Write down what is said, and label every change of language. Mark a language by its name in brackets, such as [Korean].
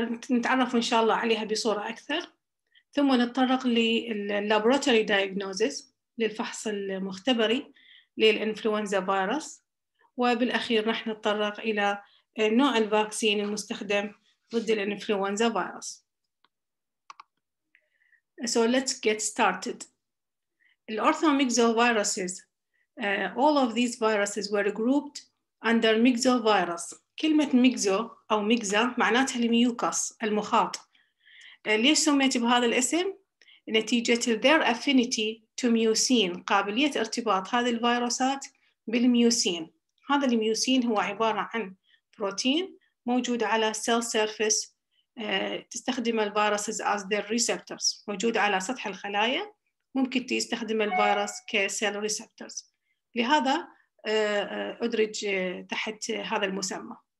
[Arabic] نتعرف إن شاء الله عليها بصورة أكثر، ثم نتطرق [English] للابوراتوري دايجنوزيس [Arabic] للفحص المختبري للإنفلونزا فيروس، وبالأخير راح نتطرق إلى نوع الفاكسين المستخدم ضد الإنفلونزا فيروس. [English] So let's get started. Orthomyxoviruses, all of these viruses were grouped under myxovirus. [Arabic] كلمة ميكزو أو ميكزا معناتها الميوكس المخاط. ليش سميت بهذا الاسم؟ نتيجة [English] their affinity to mucin، [Arabic] قابلية ارتباط هذه الفيروسات بالميوسين. هذا الميوسين هو عبارة عن بروتين موجود على [English] cell surface، [Arabic] تستخدم الفيروسز [English] as their receptors، [Arabic] موجود على سطح الخلايا، ممكن تستخدم الفيروس ك [English] cell receptors، [Arabic] لهذا أدرج تحت هذا المسمى.